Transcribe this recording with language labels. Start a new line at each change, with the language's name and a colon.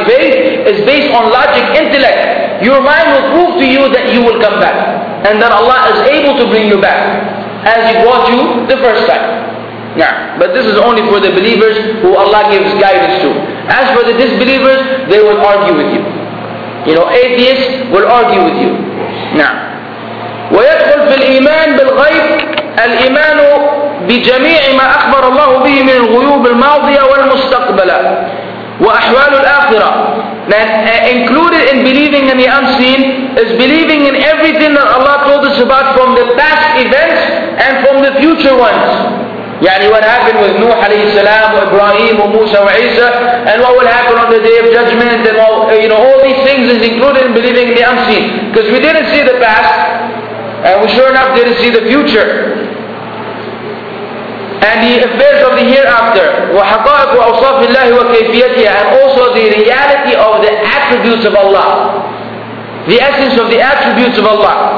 English: Faith is based on logic, intellect. Your mind will prove to you that you will come back. And that Allah is able to bring you back as He brought you the first time. Yeah, but this is only for the believers who Allah gives guidance to. As for the disbelievers, they will argue with you. You know, atheists will argue with you.
Arabic: Now, ويدخل في الإيمان بالغيب الإيمان بجميع ما أخبر الله به من الغيوب الماضية والمستقبلة وأحوال الآخرة.
English: Included in believing in the unseen is believing in everything that Allah told us about from the past events and from the future ones.
Arabic: يعني
English: what happened with Nuh
Arabic: عليه السلام وإبراهيم وموسى وعيسى
English: and what will happen on the day of judgment and all, you know, all these things is included in believing in the unseen, because we didn't see the past and we sure enough didn't see the future and the affairs of the hereafter
Arabic: وحقائق وأوصاف الله وكيفيتها
English: and also the reality of the attributes of Allah, the essence of the attributes of Allah.